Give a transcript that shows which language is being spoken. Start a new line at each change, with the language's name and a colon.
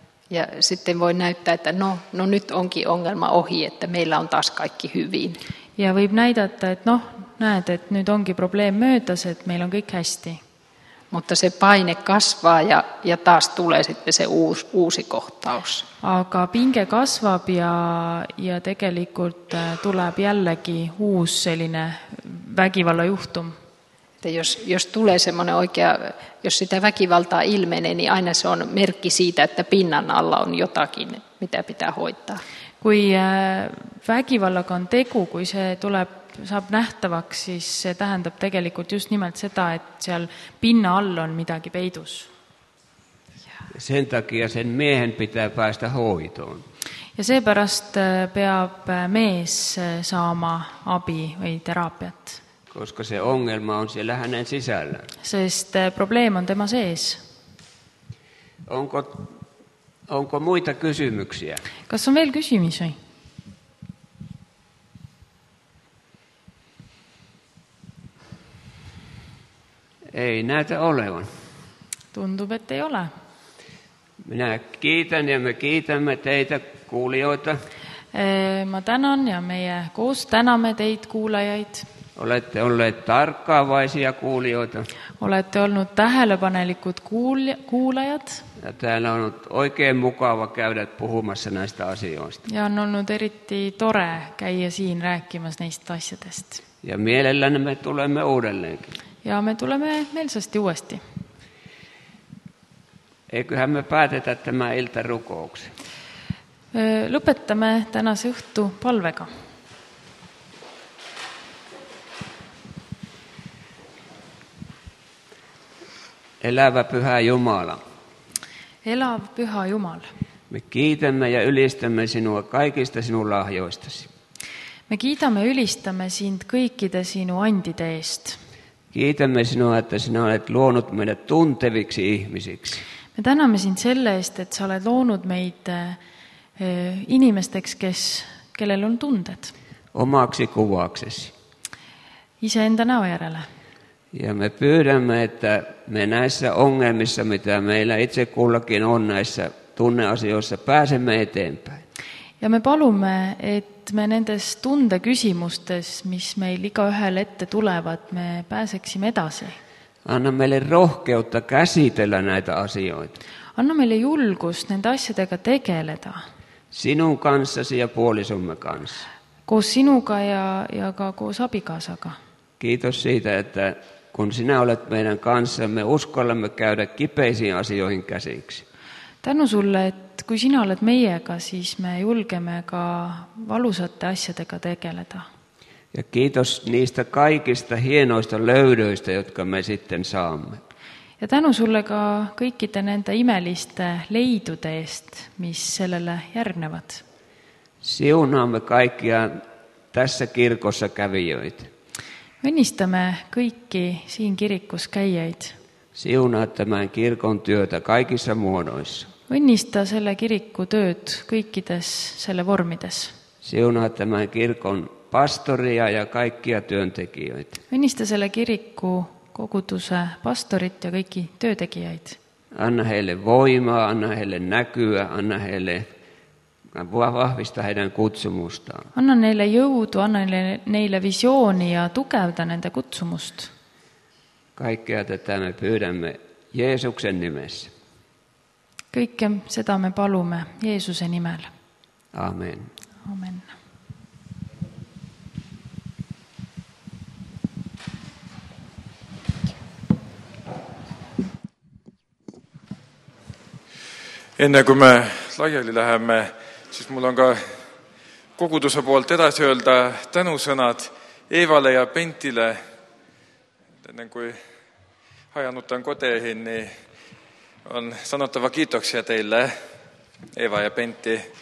Finnish: Ja sitten voi näyttää, että no nyt onkin ongelma ohi, että meillä on taas kaikki hyvin.
Estonian: Ja võib näidata, et noh, näed, et nüüd ongi probleem möödas, et meil on kõik hästi.
Finnish: Mutta se paine kasvaa ja taas tulee sitten se uusi kohtaus.
Estonian: Aga pinge kasvab ja tegelikult tuleb jällegi uus selline vägivalla juhtum.
Finnish: Jos tulee semmoinen oikea, jos sitä väkivaltaa ilmenee, niin aina se on merkki siitä, että pinnan alla on jotakin, mitä pitää hoitaa.
Estonian: Kui väkivallaga on tegu, kui see tuleb, saab nähtavaks, siis see tähendab tegelikult just nimelt seda, et seal pinna all on midagi peidus.
Finnish: Ja sen takia sen miehen pitää päästä hoitoon.
Estonian: Ja seepärast peab mees saama abi või teraapiat.
Finnish: Koska se ongelma on siellä hänen sisällä.
Estonian: Sest probleem on tema sees.
Finnish: Onko muita kysymyksiä?
Estonian: Kas on veel kysymisi?
Finnish: Ei näitä olevan.
Estonian: Tuntuu, että ei ole.
Finnish: Minä kiitän ja me kiitämme teitä kuulijoita.
Estonian: Ma tänan ja meie koos täname teid kuulajaid.
Finnish: Olette olleet tarkkaavaisia kuulijoita. Olette olleet
Estonian: tähelepanelikud kuulajat.
Finnish: Ja täällä on ollut oikein mukava käydä puhumassa näistä asioista.
Estonian: Ja on ollut eriti tore käydä siin rääkimässä näistä asjadesta.
Finnish: Ja mielellään me tulemme uudelleenkin.
Estonian: Ja me tulemme meelsasti uuesti.
Finnish: Eiköhän me päätetä tämä ilta rukouksi.
Estonian: Lõpetame tänase õhtu palvega.
Finnish: Elävä pyhä Jumala.
Estonian: Elav pyhä Jumal.
Finnish: Me kiitämme ja ylistämme sinua kaikista sinun lahjoistasi. Me kiitämme ja ylistämme
Estonian: sind kõikide sinu andide eest.
Finnish: Kiitämme sinua, että sinä olet luonut meidät tunteviksi ihmisiksi.
Estonian: Me täname sind selle eest, et sa oled loonud meid inimesteks, kes, kellel on tunded.
Finnish: Omaksi kuvaksesi.
Estonian: Ise enda näo järele.
Finnish: Ja me pyydämme, että me näissä ongelmissa, mitä meillä itse kullakin on näissä tunneasioissa, pääsemme eteenpäin.
Estonian: Ja me palume, et me nendes tundeküsimustes, mis meil iga ühel ette tulevad, me pääseksime edasi.
Finnish: Anna meile rohkeutta käsitellä näitä asioita.
Estonian: Anna meile julgust nende asjadega tegeleda.
Finnish: Sinun kanssasi ja puolisumme kanssa.
Estonian: Koos sinuga ja ka koos abikaasaga.
Finnish: Kiitos siitä, että kun sinä olet meidän kanssa, me uskallamme käydä kipeisiin asioihin käsiksi.
Estonian: Tänu sulle, et kui sinä olet meiega, siis me julgeme ka valusate asjadega tegeleda.
Finnish: Ja kiitos niistä kaikista hienoista löydöistä, jotka me sitten saamme.
Estonian: Ja tänu sulle ka kõikide nende imeliste leidude eest, mis sellele järgnevad.
Finnish: Siunaamme kaikkia tässä kirkossa kävijöid.
Estonian: Õnnistame kõiki siin kirikus käijaid.
Finnish: Siunaa tämän kirkon työtä kaikissa muodoissa.
Estonian: Õnnista selle kiriku tööd kõikides selle vormides.
Finnish: Siunaa tämän kirkon pastoria ja kaikkia työntekijöitä.
Estonian: Õnnista selle kiriku koguduse pastorit ja kõiki töötegijaid.
Finnish: Anna heille voimaa, anna heille näkyä, anna heille vahvista heidän kutsumustaan.
Estonian: Anna neille jõudu, anna neille visiooni ja tugevda nende kutsumust.
Finnish: Kaikkea tätä me pyydämme Jeesuksen nimessä.
Estonian: Kõike seda me palume Jeesuse nimel.
Finnish: Aamen.
Estonian: Aamen. Enne kui me laiali läheme, siis mul on ka koguduse poolt edasi öelda tänusõnad Eevale ja Pentile.
Finnish: Enne kui hajanutan kodehin, niin on sanottava kiitoksia teille, Eeva ja Pentti.